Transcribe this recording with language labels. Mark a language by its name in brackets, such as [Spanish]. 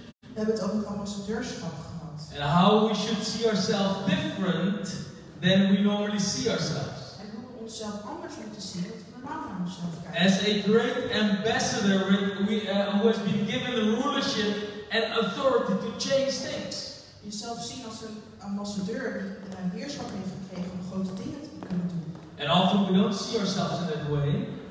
[Dutch] We hebben het over het ambassadeurschap gehad. [English] And how we should see ourselves different than we normally see ourselves. [Dutch] En hoe we onszelf anders moeten zien dan we normaal naar onszelf kijken. [English] As a great ambassador who has been given the rulership and authority to change things. [Dutch] Jezelf zien als een ambassadeur die een heerschap heeft gekregen om grote dingen te kunnen doen. [English] And often we don't see ourselves in that way.